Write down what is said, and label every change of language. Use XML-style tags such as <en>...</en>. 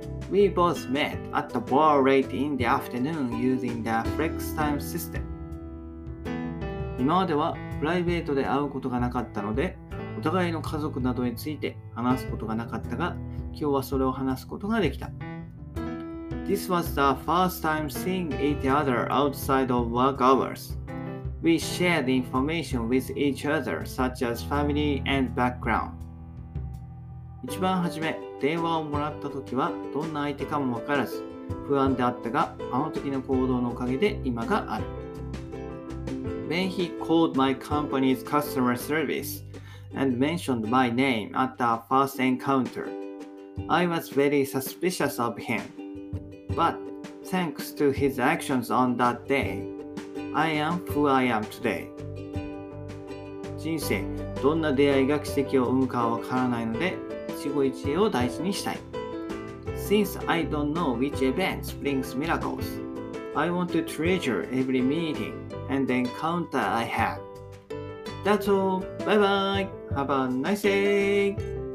<en>We both met at the bar late in the afternoon using the flex time system.</en> <ja>今まではプライベートで会うことがなかったので、お互いの家族などについて話すことがなかったが、今日はそれを話すことができた。</ja> <en>This was the first time seeing each other outside of work hours. We shared information with each other, such as family and background.</en> <ja>一番初め、電話をもらったときはどんな相手かも分からず、不安であったが、あの時の行動のおかげで今がある。</ja> <en>When he called my company's customer service and mentioned my name at the first encounter, I was very suspicious of him. But thanks to his actions on that day, I am who I am today.</en> <ja>人生、どんな出会いが奇跡を生むかは分からないので、一期一会を大事にしたい。</ja> <en>Since I don't know which event brings miracles, I want to treasure every meeting and encounter I have. That's all. Bye bye. Have a nice day.</en>